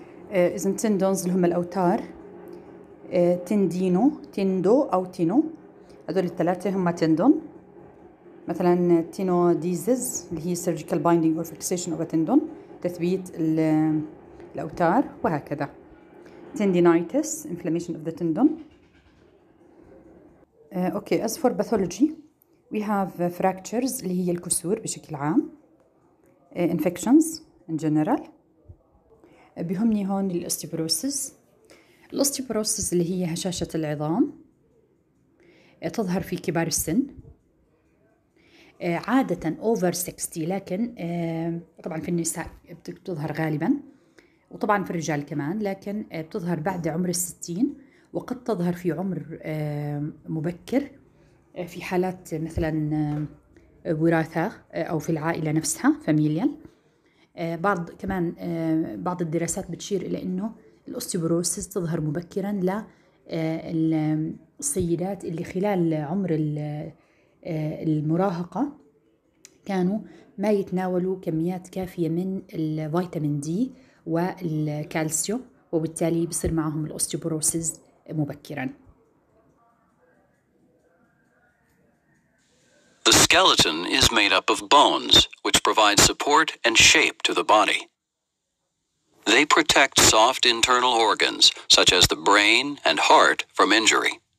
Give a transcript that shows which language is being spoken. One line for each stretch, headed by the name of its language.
Arabic: إذا تندونز اللي هم الأوتار, تندينو تندو أو تينو, هذول الثلاثة هم تندون. مثلا تينو ديزز اللي هي
English: surgical binding or fixation of a tendon,
Arabic: تثبيت الأوتار وهكذا.
English: Tendinitis inflammation of the tendon. Okay, as for pathology we have fractures
Arabic: اللي هي الكسور بشكل عام,
English: infections in general.
Arabic: بيهمني هون الاستيبروسيس. الاستيبروسيس اللي هي هشاشة العظام تظهر في كبار السن عادة
English: over 60,
Arabic: لكن طبعا في النساء بتظهر غالبا وطبعا في الرجال كمان, لكن بتظهر بعد عمر 60 وقد تظهر في عمر مبكر في حالات مثلا وراثة أو في العائلة نفسها familial. بعض كمان بعض الدراسات بتشير إلى إنه الأوستيوبروسيس تظهر مبكرا للسيدات اللي خلال عمر المراهقة كانوا ما يتناولوا كميات كافية من الفيتامين دي والكالسيوم وبالتالي بيصير معهم الأوستيوبروسيس مبكرا.
English: The skeleton is made up of bones, which provide support and shape to the body. They protect soft internal organs, such as the brain and heart, from injury.